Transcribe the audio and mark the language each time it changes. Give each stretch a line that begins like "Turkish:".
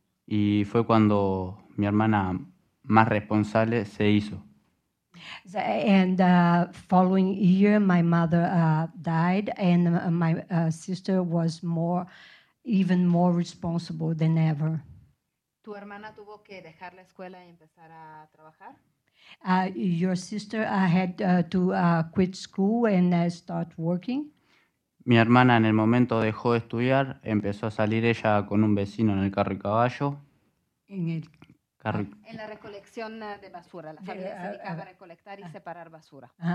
Spanish: Y fue cuando mi hermana más responsable se hizo.
English: And following year, my mother died, and my sister was even more responsible than ever.
Spanish: ¿Tu hermana tuvo que dejar la escuela y empezar a trabajar?
English: Your sister had to quit school and start working.
Spanish: Mi hermana en el momento dejó de estudiar, empezó a salir ella con un vecino en el carro y caballo. En el En la recolección de basura, la familia se dedicaba a recolectar y separar basura.